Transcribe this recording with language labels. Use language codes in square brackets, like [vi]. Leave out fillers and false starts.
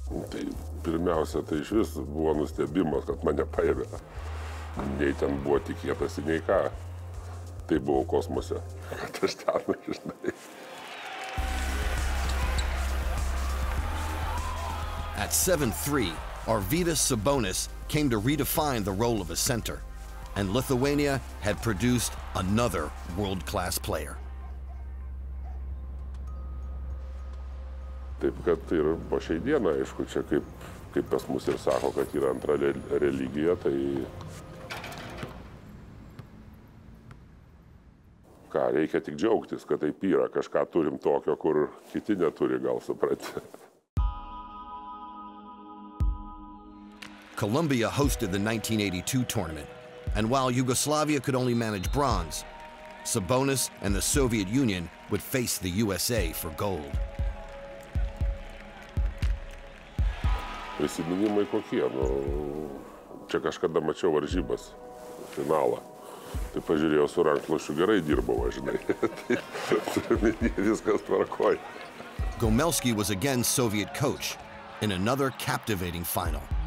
[lt] Tai pirmiausia, tai iš vis buvo nustebimas, kad mane paėmė. Nei ten buvo tikėtasi, nei ką. Tai buvo kosmose, kad aš ten, žinai. [en] At 7-3, Arvydas Sabonis came to redefine the role of a center, and Lithuania had produced another world-class player. [lt] Taip, kad ir po šiai dieną, aišku, čia kaip pas mus ir sako, kad yra antra religija, tai ką, reikia tik džiaugtis, kad taip yra, kažką turim tokio, kur kiti neturi, gal supratyti. [en] Colombia hosted the 1982 tournament, and while Yugoslavia could only manage bronze, Sabonis and the Soviet Union would face the USA for gold. [lt] Prisiminimai kokie, nu, čia kažkada mačiau varžybas, finalą. Tai pažiūrėjau su rankšluosčiu, gerai dirbau, žinai. Tai viskas tvarkoj. [en] Gomelski was again Soviet coach, in another captivating final.